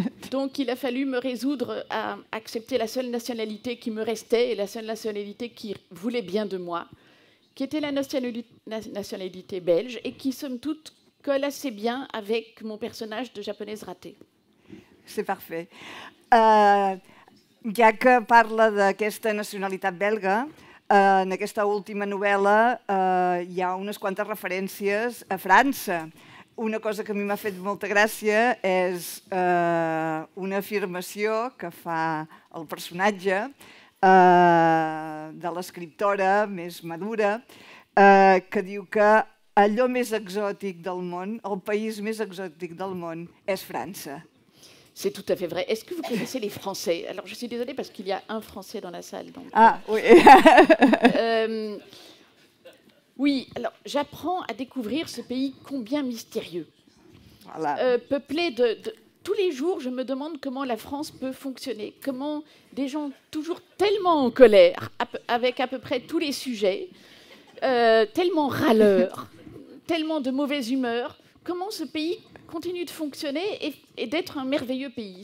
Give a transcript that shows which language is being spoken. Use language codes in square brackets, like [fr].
[fr] Donc, il a fallu me résoudre à accepter la seule nationalité qui me restait et la seule nationalité qui voulait bien de moi, qui était la nationalité belge et qui, somme toute, colle assez bien avec mon personnage de japonaise ratée. C'est parfait. [ca] Ja que parla d'aquesta nacionalitat belga, en aquesta última novel·la hi ha unes quantes referències a França. Una cosa que a mi m'ha fet molta gràcia és una afirmació que fa el personatge de l'escriptora més madura, que diu que allò més exòtic del món, el país més exòtic del món, és França. [fr] C'est tout à fait vrai. Est-ce que vous connaissez les Français? Alors, je suis désolée parce qu'il y a un Français dans la salle. Donc... Ah, oui. Oui, alors, j'apprends à découvrir ce pays combien mystérieux. Voilà. Peuplé de... Tous les jours, je me demande comment la France peut fonctionner. Comment des gens toujours tellement en colère, avec à peu près tous les sujets, tellement râleurs, tellement de mauvaise humeur, comment ce pays continue de fonctionner et d'être un merveilleux pays.